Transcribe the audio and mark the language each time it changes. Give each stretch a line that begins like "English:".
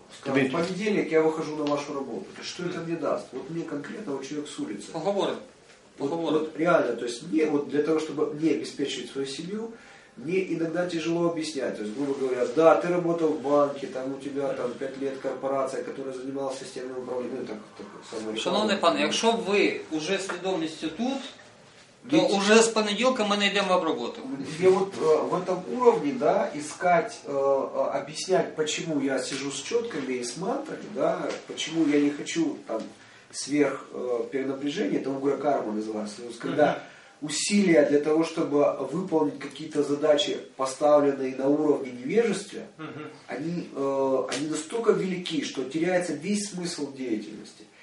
Russian: Скажем, в понедельник я выхожу на вашу работу. Что это мне даст? Вот мне конкретно, вот человек с улицы. Поговорим. Вот реально, то есть мне вот для того, чтобы мне обеспечить свою семью, мне иногда тяжело объяснять. То есть, грубо говоря, да, ты работал в банке, там у тебя там 5 лет корпорация, которая занималась системным управлением.
Ukrainian: Шановний пане, якщо ви уже свідомістю тут,
Russian: то уже с понедельника мы найдем обработку. Где вот в этом уровне, да, искать, объяснять, почему я сижу с четками и с мантрами, да, почему я не хочу там сверх перенапряжения, это угра карма называется. То есть, когда усилия для того, чтобы выполнить какие-то задачи, поставленные на уровне невежества, они настолько велики, что теряется весь смысл деятельности.